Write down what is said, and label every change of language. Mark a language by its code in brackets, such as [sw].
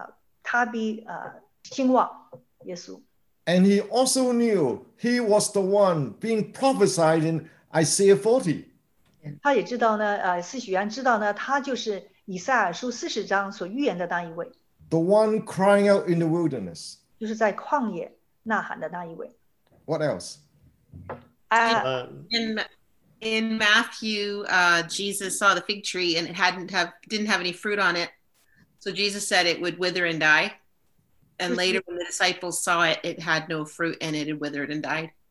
[zh] 因为他知道呢耶稣他比兴旺耶稣。 [en] And he also knew he was the one being prophesied in Isaiah 40. [zh] 他也知道呢，司许安知道呢，他就是以赛亚书40章所预言的那一位。 [en] The one crying out in the wilderness. [zh] 就是在旷野呐喊的那一位。 [en] What else? In Matthew, Jesus saw the fig tree and it didn't have any fruit on it. So Jesus said it would wither and die. And later when the disciples saw it, it had no fruit and it had withered and died.